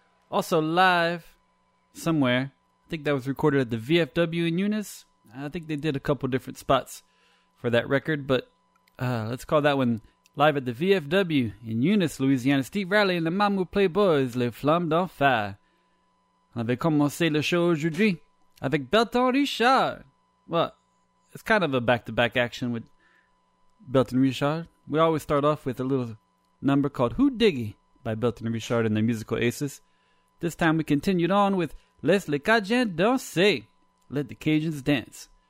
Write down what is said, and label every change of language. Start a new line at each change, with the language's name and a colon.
English: Also live somewhere. I think that was recorded at the VFW in Eunice. I think they did a couple different spots for that record, but let's call that one live at the VFW in Eunice, Louisiana. Steve Riley and the Mamou Playboys, Les Flammes d'Enfer.
French: On avait commencé le show aujourd'hui avec Belton Richard.
English: Well, it's kind of a back-to-back action with Belton Richard. We always start off with a little number called Who Diggy by Belton Richard and the Musical Aces. This time we continued on with Les Cajuns Danser, Let the Cajuns Dance.